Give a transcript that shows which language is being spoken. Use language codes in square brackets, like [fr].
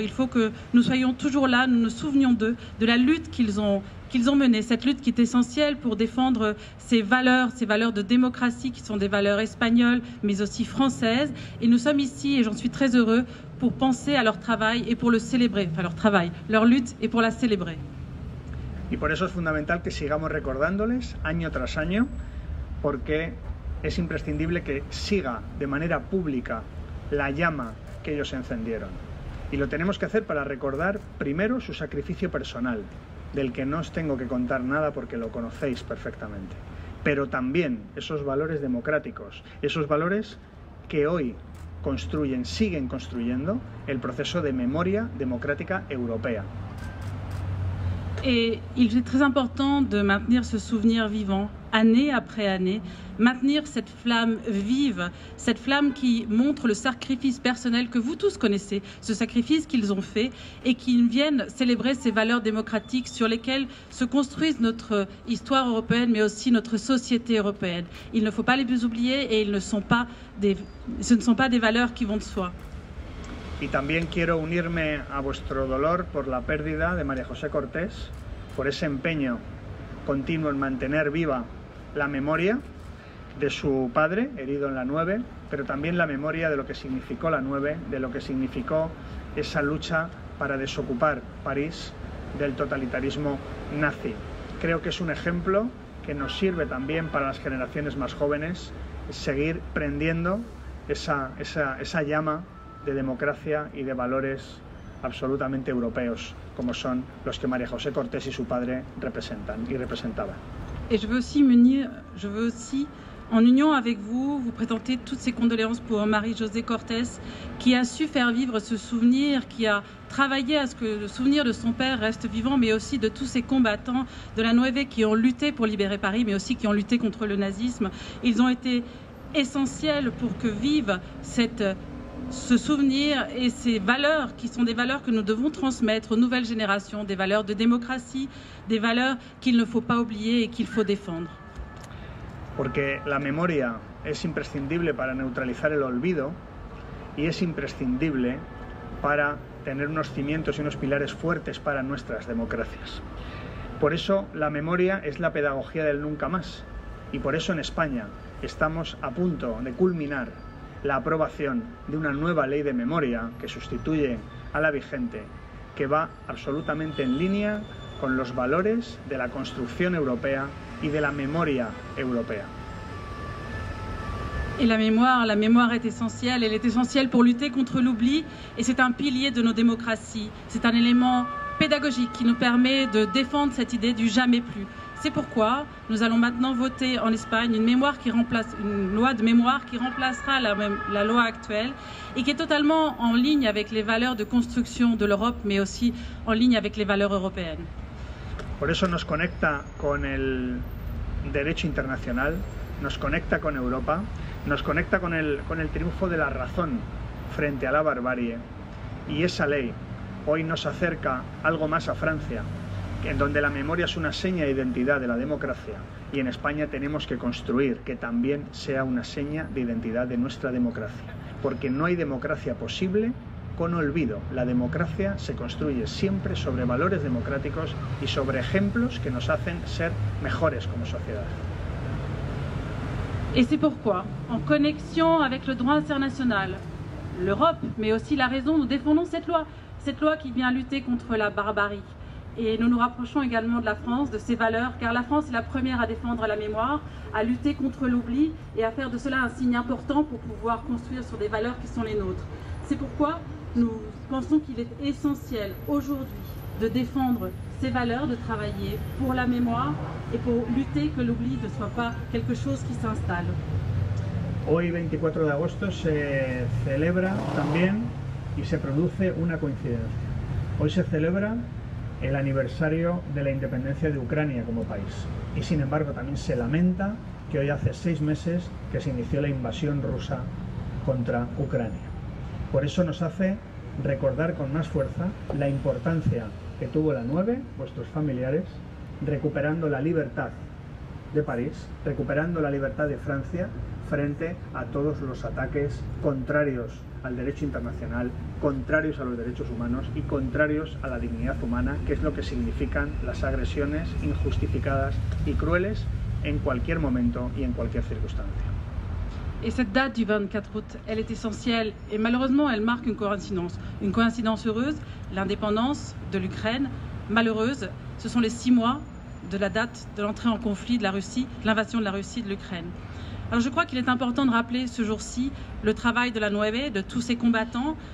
[fr] Il faut que nous soyons toujours là, nous nous souvenions d'eux, de la lutte qu'ils ont menée, cette lutte qui est essentielle pour défendre ces valeurs de démocratie qui sont des valeurs espagnoles, mais aussi françaises. Et nous sommes ici, et j'en suis très heureux, pour penser à leur travail et pour le célébrer, enfin leur travail, leur lutte et pour la célébrer. [es] Y por eso es fundamental que sigamos recordándoles año tras año, porque es imprescindible que siga de manera pública la llama que ellos encendieron. Y lo tenemos que hacer para recordar primero su sacrificio personal, del que no os tengo que contar nada porque lo conocéis perfectamente. Pero también esos valores democráticos, esos valores que hoy construyen, siguen construyendo el proceso de memoria democrática europea. [fr] Et il est très important de maintenir ce souvenir vivant, année après année, maintenir cette flamme vive, cette flamme qui montre le sacrifice personnel que vous tous connaissez, ce sacrifice qu'ils ont fait et qu'ils viennent célébrer ces valeurs démocratiques sur lesquelles se construisent notre histoire européenne, mais aussi notre société européenne. Il ne faut pas les oublier et ce ne sont pas des valeurs qui vont de soi. [es] Y también quiero unirme a vuestro dolor por la pérdida de María José Cortés, por ese empeño continuo en mantener viva la memoria de su padre, herido en la 9, pero también la memoria de lo que significó la 9, de lo que significó esa lucha para desocupar París del totalitarismo nazi. Creo que es un ejemplo que nos sirve también para las generaciones más jóvenes seguir prendiendo esa llama de democracia y de valores absolutamente europeos, como son los que María José Cortés y su padre representan y representaban. [fr] Et je veux aussi m'unir, je veux aussi, en union avec vous, vous présenter toutes ces condoléances pour Marie José Cortés, qui a su faire vivre ce souvenir, qui a travaillé à ce que le souvenir de son père reste vivant, mais aussi de tous ces combattants de la 9 qui ont lutté pour libérer Paris, mais aussi qui ont lutté contre le nazisme. Ils ont été essentiels pour que vive ce souvenir et ces valeurs qui sont des valeurs que nous devons transmettre aux nouvelles générations, des valeurs de démocratie, des valeurs qu'il ne faut pas oublier et qu'il faut défendre. [es] Porque la memoria es imprescindible para neutralizar el olvido y es imprescindible para tener unos cimientos y unos pilares fuertes para nuestras democracias. Por eso la memoria es la pedagogía del nunca más y por eso en España estamos a punto de culminar la aprobación de una nueva ley de memoria que sustituye a la vigente, que va absolutamente en línea con los valores de la construcción europea y de la memoria europea. [fr] Et la mémoire est essentielle, elle est essentielle pour lutter contre l'oubli et c'est un pilier de nos démocraties, c'est un élément pédagogique qui nous permet de défendre cette idée du jamais plus. C'est pourquoi nous allons maintenant voter en Espagne une loi de mémoire qui remplacera la loi actuelle et qui est totalement en ligne avec les valeurs de construction de l'Europe, mais aussi en ligne avec les valeurs européennes. [es] Por eso nos conecta con el derecho internacional, nos conecta con Europa, nos conecta con el triunfo de la razón frente a la barbarie. Y esa ley hoy nos acerca algo más a Francia, en donde la memoria es una seña de identidad de la democracia y en España tenemos que construir que también sea una seña de identidad de nuestra democracia. Porque no hay democracia posible con olvido. La democracia se construye siempre sobre valores democráticos y sobre ejemplos que nos hacen ser mejores como sociedad. [fr] Et c'est pourquoi, en connexion avec le droit international, l'Europe, mais aussi la raison, nous défendons cette loi qui vient lutter contre la barbarie. Et nous nous rapprochons également de la France, de ses valeurs, car la France est la première à défendre la mémoire, à lutter contre l'oubli et à faire de cela un signe important pour pouvoir construire sur des valeurs qui sont les nôtres. C'est pourquoi nous pensons qu'il est essentiel aujourd'hui de défendre ces valeurs, de travailler pour la mémoire et pour lutter que l'oubli ne soit pas quelque chose qui s'installe. [es] Hoy 24 de agosto se celebra también y se produce una coincidencia. Hoy se celebra el aniversario de la independencia de Ucrania como país. Y sin embargo también se lamenta que hoy hace 6 meses que se inició la invasión rusa contra Ucrania. Por eso nos hace recordar con más fuerza la importancia que tuvo la 9, vuestros familiares, recuperando la libertad de París, recuperando la libertad de Francia, frente a todos los ataques contrarios al derecho internacional, contrarios a los derechos humanos y contrarios a la dignidad humana, que es lo que significan las agresiones injustificadas y crueles en cualquier momento y en cualquier circunstancia. [fr] Et cette date du 24 août, elle est essentielle et malheureusement elle marque une coïncidence heureuse, l'indépendance de l'Ukraine, malheureuse, ce sont les 6 mois de la date de l'entrée en conflit de la Russie, de l'invasion de la Russie de l'Ukraine. Alors je crois qu'il est important de rappeler ce jour-ci le travail de la Nueve, de tous ces combattants.